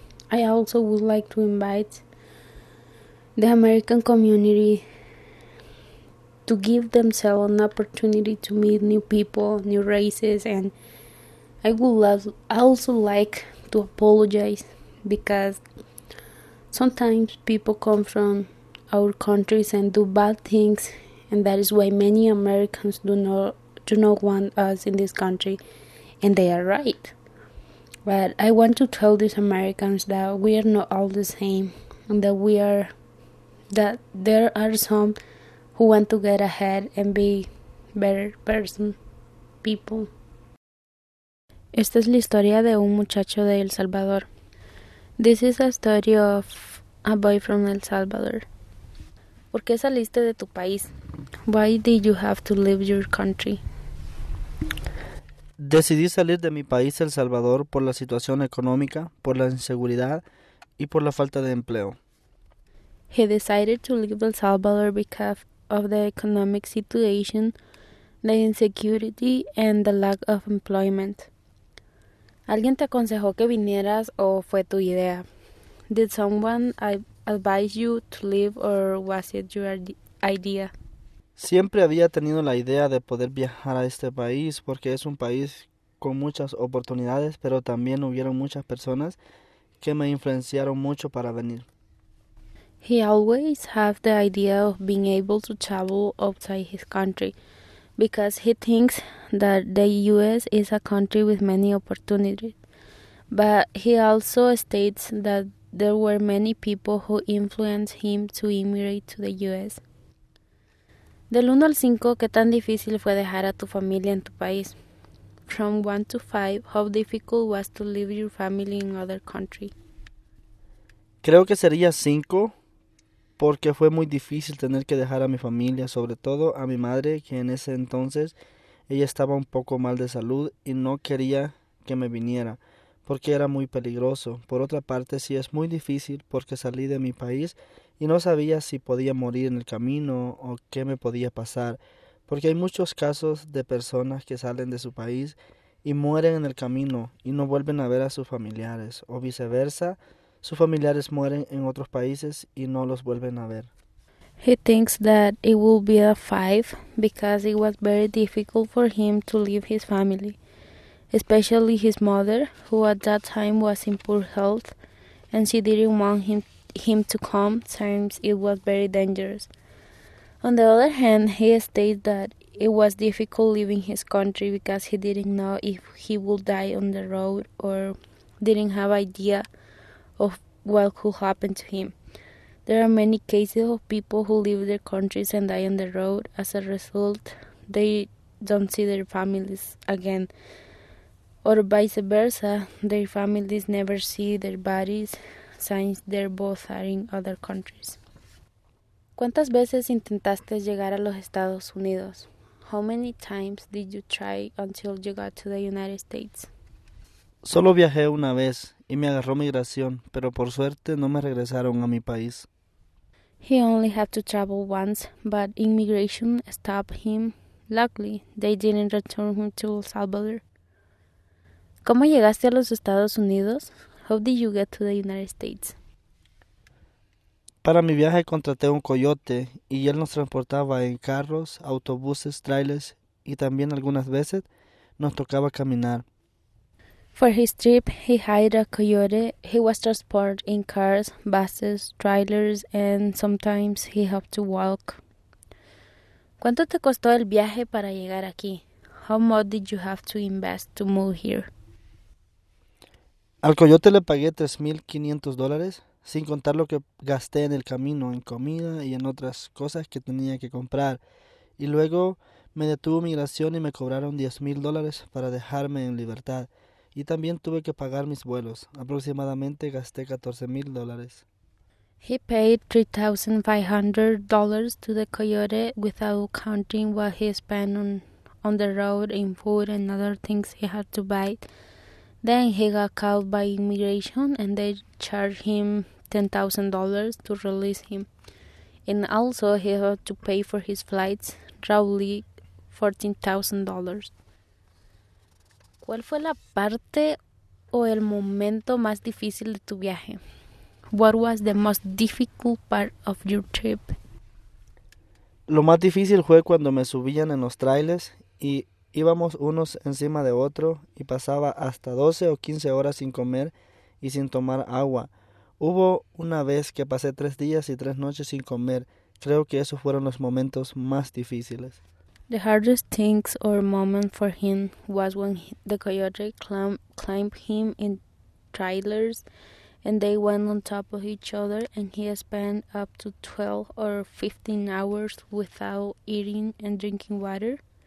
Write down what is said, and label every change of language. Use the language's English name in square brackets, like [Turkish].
[English] I also would like to invite the American community to give themselves an opportunity to meet new people, new races, and I would also like to apologize because sometimes people come from our countries and do bad things, and that is why many Americans do not want us in this country, and they are right. But I want to tell these Americans that we are not all the same, and that there are some who want to get ahead and be better person, people. [Spanish] Esta es la historia de un muchacho de El Salvador. [English] This is a story of a boy from El Salvador. [Spanish] ¿Por qué saliste de tu país? [English] Why did you have to leave your country? [Spanish] Decidí salir de mi país, El Salvador, por la situación económica, por la inseguridad y por la falta de empleo. [English] He decided to leave El Salvador because of the economic situation, the insecurity and the lack of employment. [Spanish] ¿Alguien te aconsejó que vinieras o fue tu idea? [English] Did someone advise you to leave or was it your idea? [Spanish] Siempre había tenido la idea de poder viajar a este país porque es un país con muchas oportunidades, pero también hubieron muchas personas que me influenciaron mucho para venir. [English] He always had the idea of being able to travel outside his country because he thinks that the U.S. is a country with many opportunities. But he also states that there were many people who influenced him to immigrate to the U.S. [Spanish] Del 1 al 5, ¿qué tan difícil fue dejar a tu familia en tu país? [English] From 1 to 5, how difficult was to leave your family in other country? [Spanish] Creo que sería 5, porque fue muy difícil tener que dejar a mi familia, sobre todo a mi madre, que en ese entonces ella estaba un poco mal de salud y no quería que me viniera, porque era muy peligroso. Por otra parte, sí es muy difícil porque salí de mi país y no sabía si podía morir en el camino o qué me podía pasar, porque hay muchos casos de personas que salen de su país y mueren en el camino y no vuelven a ver a sus familiares, o viceversa, sus familiares mueren en otros países y no los vuelven a ver. [English] He thinks that it will be a 5 because it was very difficult for him to leave his family, especially his mother, who at that time was in poor health, and she didn't want him to come since it was very dangerous. On the other hand, he states that it was difficult leaving his country because he didn't know if he would die on the road or didn't have idea of what could happen to him. There are many cases of people who leave their countries and die on the road. As a result, they don't see their families again. Or vice versa, their families never see their bodies since they both are in other countries. [Spanish] ¿Cuántas veces intentaste llegar a los Estados Unidos? [English] How many times did you try until you got to the United States? [Spanish] Solo viajé una vez y me agarró migración, pero por suerte no me regresaron a mi país. [English] He only had to travel once, but immigration stopped him. Luckily, they didn't return him to El Salvador. [Spanish] ¿Cómo llegaste a los Estados Unidos? [English] How did you get to the United States? [Spanish] Para mi viaje contraté un coyote y él nos transportaba en carros, autobuses, trailers y también algunas veces nos tocaba caminar. [English] For his trip, he hired a coyote. He was transported in cars, buses, trailers, and sometimes he had to walk. [Spanish] ¿Cuánto te costó el viaje para llegar aquí? [English] How much did you have to invest to move here? [Spanish] Al coyote le pagué $3,500, sin contar lo que gasté en el camino, en comida y en otras cosas que tenía que comprar. Y luego me detuvo migración y me cobraron $10,000 para dejarme en libertad. Y también tuve que pagar mis vuelos. Aproximadamente gasté $14,000. [English] He paid $3,500 to the coyote without counting what he spent on the road in food and other things he had to buy. Then he got caught by immigration and they charged him $10,000 to release him. And also he had to pay for his flights, roughly $14,000. [Spanish] ¿Cuál fue la parte o el momento más difícil de tu viaje? [English] What was the most difficult part of your trip? [Spanish] Lo más difícil fue cuando me subían en los trailers y íbamos unos encima de otro y pasaba hasta 12 o 15 horas sin comer y sin tomar agua. Hubo una vez que pasé 3 días y 3 noches sin comer. Creo que esos fueron los momentos más difíciles. [English] The hardest things or moment for him was when the coyote climbed him in trailers and they went on top of each other, and he spent up to 12 or 15 hours without eating and drinking water.